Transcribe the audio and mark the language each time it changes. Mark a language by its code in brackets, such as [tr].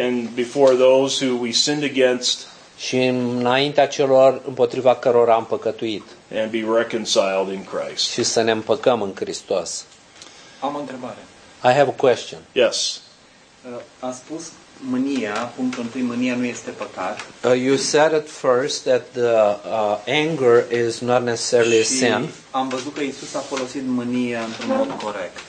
[en] And before those who we sinned against. [ro] Și înaintea celor împotriva cărora am păcătuit. [en] And be reconciled in Christ. [ro] Și să ne împăcăm în Hristos. Am o întrebare. [en] I have a question. Yes. [ro] Am spus mânia, punctul întâi, mânia nu este păcat. [en] You said at first that the anger is not necessarily a sin. [ro] Am văzut că Iisus a folosit mânia într-un mod corect.